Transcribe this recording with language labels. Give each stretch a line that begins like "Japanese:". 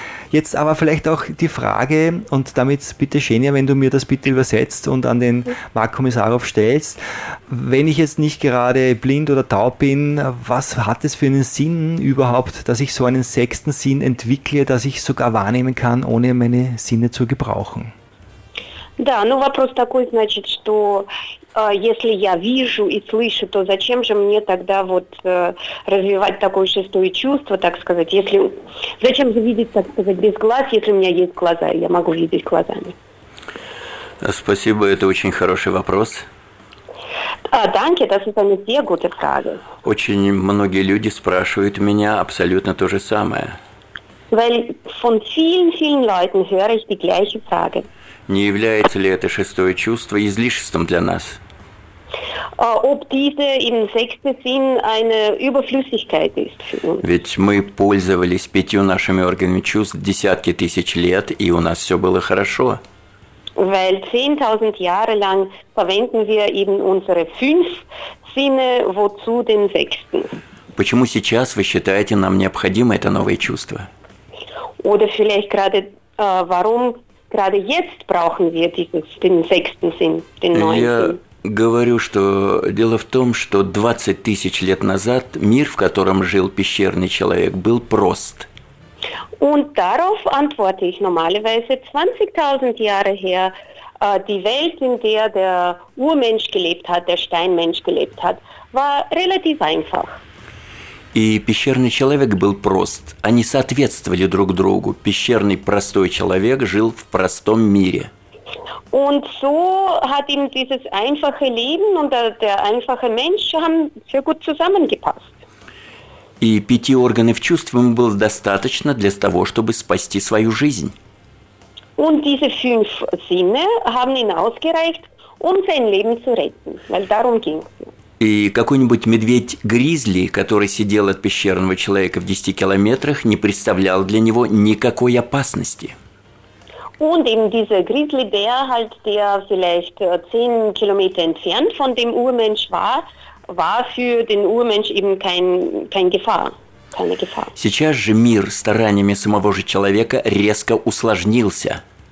German: Jetzt aber vielleicht auch die Frage, und damit bitte Xenia, wenn du mir das bitte übersetzt und an den Marc Komisarov stellst, wenn ich jetzt nicht gerade blind oder taub bin, was hat es für einen Sinn überhaupt, dass ich so einen sechsten Sinn entwickle, dass ich sogar wahrnehmen kann, ohne meine Sinne zu gebrauchen?
Russian: Да, ну вопрос такой, значит, что если я вижу и слышу, то зачем же мне тогда вот развивать такое шестое чувство, так сказать, если зачем же видеть, так сказать, без глаз, если у меня есть глаза, и я могу видеть глазами? Спасибо, это очень хороший вопрос.
German: Danke, das ist eine sehr gute Frage.
Russian: Очень многие люди спрашивают меня абсолютно то же самое.
German: Weil von vielen, vielen Leuten höre ich die gleiche Frage.
Russian: Не является ли это шестое чувство излишеством для нас?
German: Ob diese im sechsten Sinn eine Überflüssigkeit ist für uns.
Russian: Ведь мы пользовались 5 нашими органами чувств десятки тысяч лет, и у нас все было хорошо.
German: Weil 10.000 Jahre lang verwenden wir eben unsere 5 Sinne, wozu den sechsten?
Russian: Почему сейчас вы считаете нам необходимо это новое чувство?
German: Oder vielleicht gerade, warum gerade jetzt brauchen wir den sechsten Sinn, den neunten?
Russian: Я говорю, что дело в том, что 20 тысяч лет назад мир, в котором жил пещерный человек, был прост.
German: Und darauf antworte ich normalerweise 20.000 Jahre her, die Welt, in der der Urmensch gelebt hat, der Steinmensch gelebt hat, war relativ einfach.
Russian: И пещерный человек был прост. Они соответствовали друг другу. Пещерный простой человек жил в простом мире.
German: Und so hat ihm dieses einfache Leben und der einfache Mensch haben sehr gut zusammengepasst.
Russian: И 5 органов чувств ему было достаточно для того, чтобы спасти свою жизнь.
German: Und diese 5 Sinne haben ihn ausgereicht, um sein Leben zu retten, weil darum ging es.
Russian: И какой-нибудь медведь-гризли, который сидел от пещерного человека в 10 километрах, не представлял для него никакой опасности.
German: Und eben dieser Grizzly Bär, halt, der vielleicht 10 Kilometer entfernt von dem Urmensch war, war für den Urmensch eben keine Gefahr.
Russian: Сейчас же мир стараниями самого же человека резко усложнился.